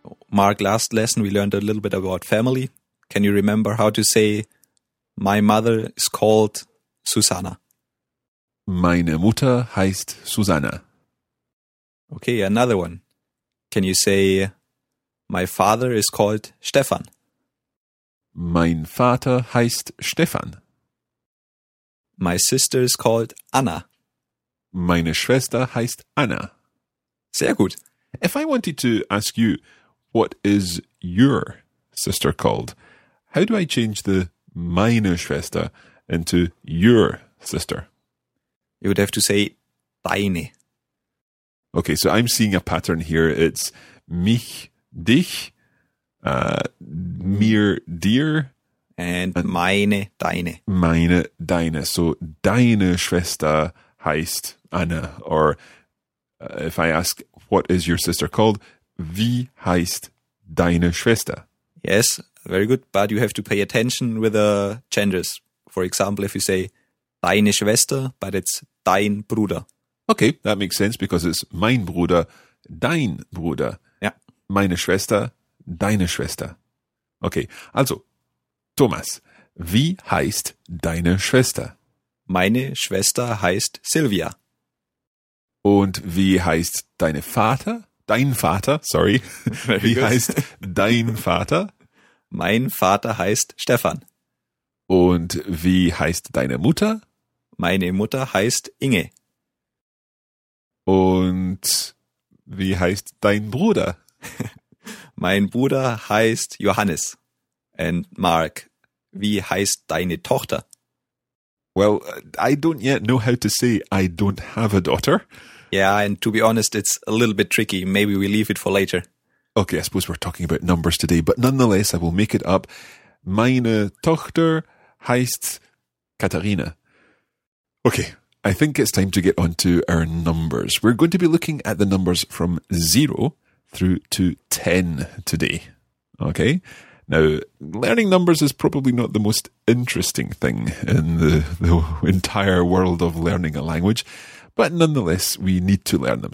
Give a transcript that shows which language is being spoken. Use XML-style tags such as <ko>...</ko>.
<en>Mark, last lesson we learned a little bit about family. Can you remember how to say, my mother is called Susanna?</en> <de>Meine Mutter heißt Susanna.</de> <en>Okay, another one. Can you say, my father is called Stefan?</en> <de>Mein Vater heißt Stefan.</de> <en>My sister is called Anna.</en> <de>Meine Schwester heißt Anna. Sehr gut.</de> <en>If I wanted to ask you, what is your sister called? How do I change the</en> <de>meine Schwester</de> <en>into your sister? You would have to say deine. Okay, so I'm seeing a pattern here.</en> <de>It's mich, dich, mir, dir. And meine, deine. Meine, deine. So deine Schwester heißt Anna.</de> <en>Or if I ask, what is your sister called?</en> <de>Wie heißt deine Schwester?</de> <en>Yes, very good. But you have to pay attention with the genders. For example, if you say</en> <de>deine Schwester,</de> <en>but it's</en> <de>dein Bruder.</de> <en>Okay, that makes sense because it's</en> <de>mein Bruder, dein Bruder. Ja. Meine Schwester, deine Schwester. Okay, also, Thomas, wie heißt deine Schwester? Meine Schwester heißt Silvia. Und wie heißt deine Vater? Dein Vater, sorry. Wie heißt dein Vater? Mein Vater heißt Stefan. Und wie heißt deine Mutter? Meine Mutter heißt Inge. Und wie heißt dein Bruder? Mein Bruder heißt Johannes. And Mark, wie heißt deine Tochter?</de> <en>Well, I don't yet know how to say I don't have a daughter. Yeah, and to be honest, it's a little bit tricky. Maybe we leave it for later. Okay, I suppose we're talking about numbers today, but nonetheless, I will make it up.</en> <de>Meine Tochter heißt Katharina.</de> <en>Okay. I think it's time to get on to our numbers. We're going to be looking at the numbers from 0 through to 10 today. Okay? Now, learning numbers is probably not the most interesting thing in the entire world of learning a language, but nonetheless, we need to learn them.</en>